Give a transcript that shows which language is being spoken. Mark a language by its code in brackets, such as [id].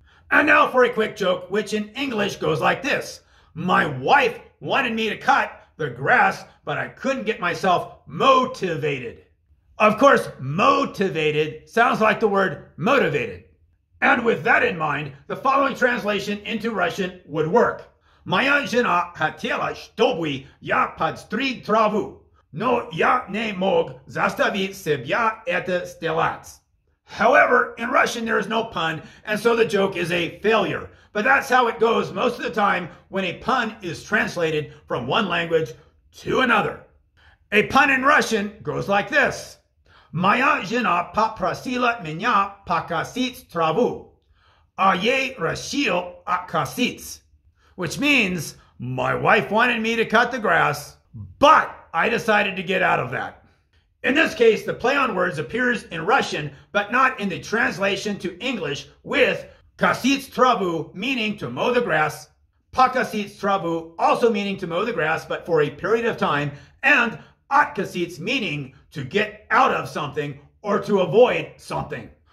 [en] And now for a quick joke, which in English goes like this. My wife wanted me to cut the grass, but I couldn't get myself motivated. Of course, motivated sounds like the word motivated. And with that in mind, the following translation into Russian would work. [ru] Моя жена хотела, чтобы я подстриг траву, но я не мог заставить себя это сделать. [en] However, in Russian there is no pun, and so the joke is a failure. But that's how it goes most of the time when a pun is translated from one language to another. A pun in Russian goes like this. [ru] Моя жена попросила меня покосить траву. А я решил откосить. [en] Which means, my wife wanted me to cut the grass, but I decided to get out of that. In this case, the play on words appears in Russian, but not in the translation to English, with [ru] kosits travu [en] meaning to mow the grass, [ru] pakosits travu [en] also meaning to mow the grass, but for a period of time, and [ru] otkosits [en] meaning to get out of something or to avoid something.